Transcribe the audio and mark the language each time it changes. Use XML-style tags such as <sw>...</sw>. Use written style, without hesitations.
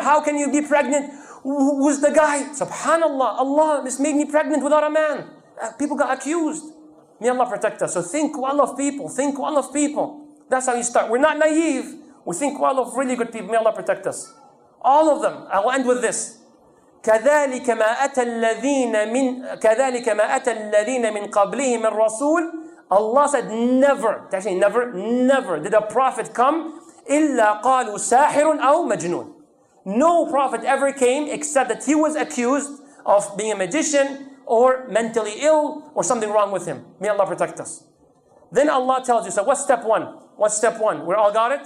<en>How can you be pregnant? Who's the guy? Subhanallah. Allah just made me pregnant without a man. People got accused. May Allah protect us. So think well of people. Think well of people. That's how you start. We're not naive. We think well of really good people. May Allah protect us. All of them. I will end with this.</en> <ar>كذلك ما أتى الذين من كذلك ما أتى الذين من قبلهم من رسول.</ar> <en>Allah said never. Actually, never, never did a prophet come</en> <ar>إلا قالوا ساحر أو مجنون.</ar> <en>No prophet ever came except that he was accused of being a magician or mentally ill or something wrong with him. May Allah protect us. Then Allah tells you, so what's step one? What's step one? We all got it.</en>